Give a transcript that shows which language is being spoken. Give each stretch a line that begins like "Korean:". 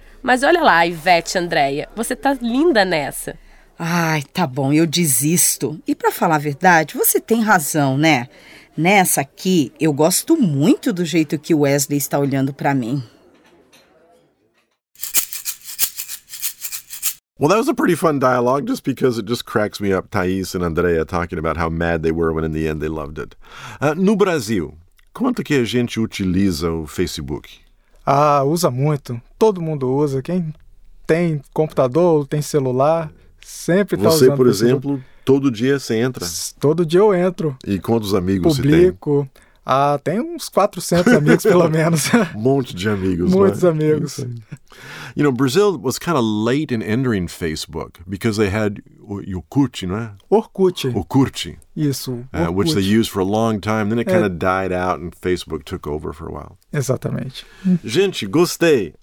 Portuguese: Mas olha lá, Ivete Andréia. Você tá linda nessa. Ai, tá bom. Eu desisto. E pra falar a verdade, você tem razão, né? Nessa aqui, eu gosto muito do jeito que o Wesley está olhando pra mim.
English: Well, that was a pretty fun dialogue just because it just cracks me up, Thaís and Andrea talking about how mad they were when in the end they loved it.
Portuguese: No Brasil, quanto que a gente utiliza o Facebook? Ah, usa muito. Todo mundo usa. Quem tem computador, tem celular, sempre está usando. Você, por exemplo, todo dia você entra? Todo dia eu entro. E quantos amigos publico. Você tem? Publico. Ah, tem uns 400 amigos, pelo menos. Um monte de amigos, muitos amigos.
English: You know, Brazil was kind of late in entering Facebook because they had Orkut,
Portuguese: não é? Orkut. Orkut. Isso, Orkut.
English: Which they used for a long time. Then it kind of died out and Facebook took over for a while.
Portuguese: Exatamente. Gente, gostei.